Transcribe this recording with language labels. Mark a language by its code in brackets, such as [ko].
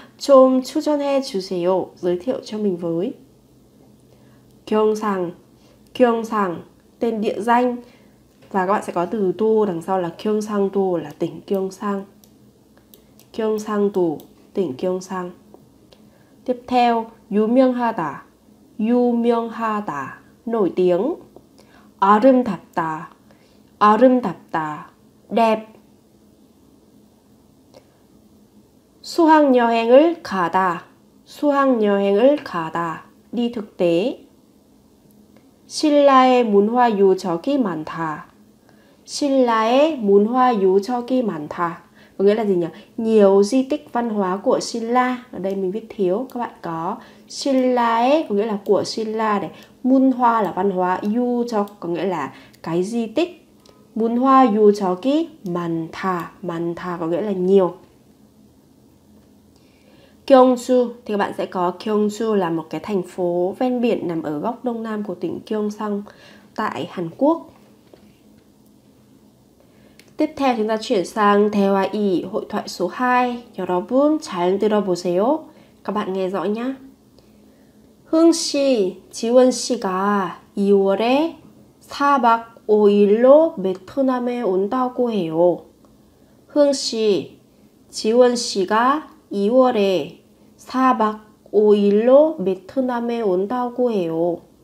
[ko] 좀 추천해주세요 [vi] giới thiệu cho mình với. 경상, 경상 tên địa danh. Và các bạn sẽ có từ 도 đằng sau là 경상도 là tỉnh 경상. 경상도 tỉnh 경상. Tiếp theo, 유명하다, 유명하다 nổi tiếng. [ko] 아름답다, 아름답다 đẹp. 수학 여행을 가다, 수학 여행을 가다 đi thực tế. 신라의 문화 유적이 많다, 신라의 문화 유적이 많다 [vi] có nghĩa là gì nhỉ? Nhiều di tích văn hóa của Silla. Ở đây mình viết thiếu, các bạn có Sillae có nghĩa là của Silla này, Munhwa là văn hóa, Yuchok có nghĩa là cái di tích, Munhwa Yuchoki Mantha có nghĩa là nhiều. Gyeongsu thì các bạn sẽ có Gyeongsu là một cái thành phố ven biển nằm ở góc đông nam của tỉnh Gyeongsang tại Hàn Quốc. Tiếp theo chúng ta chuyển sang đề hoa ỉ hội thoại số 2. [ko] Yeoreobun, chaeun deureoboseyo. [vi] Các bạn nghe rõ nhá. [ko] Hưng Si, Jiwon Si가 2월에 4박 5일로 베트남에 온다고 해요. Hưng Si, Jiwon Si가 2월에 4박 5일로 베트남에 온다고 해요.